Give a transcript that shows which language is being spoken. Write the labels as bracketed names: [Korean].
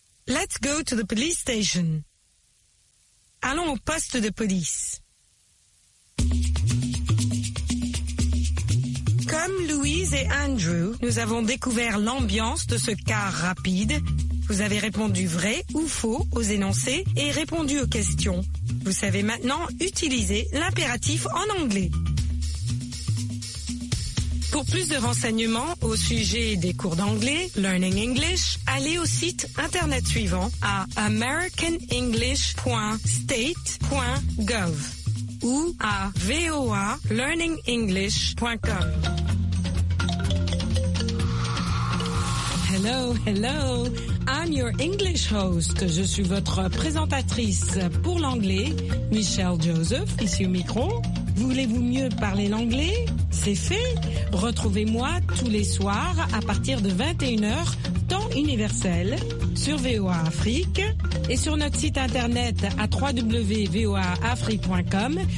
[English] Let's go to the police station. [French] Allons au poste de police. Comme Louise et Andrew, nous avons découvert l'ambiance de ce car rapide. Vous avez répondu vrai ou faux aux énoncés et répondu aux questions. Vous savez maintenant utiliser l'impératif en anglais. Pour plus de renseignements au sujet des cours d'anglais, Learning English, allez au site internet suivant à americanenglish.state.gov ou à voalearningenglish.com. [English] Hello, hello, I'm your English host. [French] Je suis votre présentatrice pour l'anglais, Michelle Joseph, ici au micro. Voulez-vous mieux parler l'anglais? C'est fait. Retrouvez-moi tous les soirs à partir de 21h, temps universel, sur VOA Afrique et sur notre site internet à www.voaafrique.com.